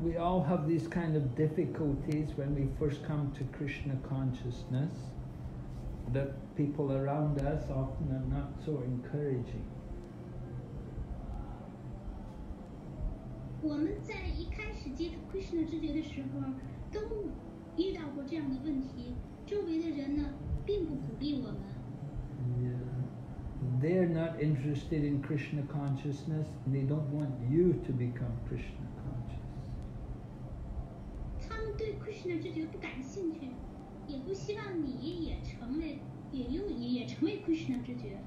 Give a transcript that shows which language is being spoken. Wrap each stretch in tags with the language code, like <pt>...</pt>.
<en>we all have these kind of difficulties when we first come to Krishna consciousness. The people around us often are not so encouraging.</en> <zh>我们在一开始接触Krishna知觉的时候，都遇到过这样的问题，周围的人呢，并不鼓励我们。</zh> <en>Yeah, they're not interested in Krishna consciousness, and they don't want you to become Krishna conscious.</en>